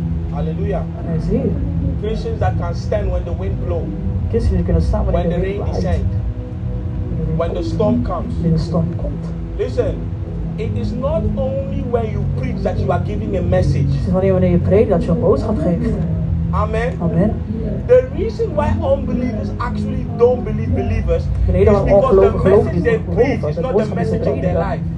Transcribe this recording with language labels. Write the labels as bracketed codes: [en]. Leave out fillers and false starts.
[en] Hallelujah. Christians that can stand when the wind blows. When the rain descends. When the storm comes. When the storm comes. Listen. It is not only when you preach that you are giving a message. [nl] Het is niet alleen wanneer je preekt dat je een boodschap geeft. [en] Amen. [nl] Amen. [en] The reason why unbelievers actually don't believe believers is because the message they preach is not the message of their life.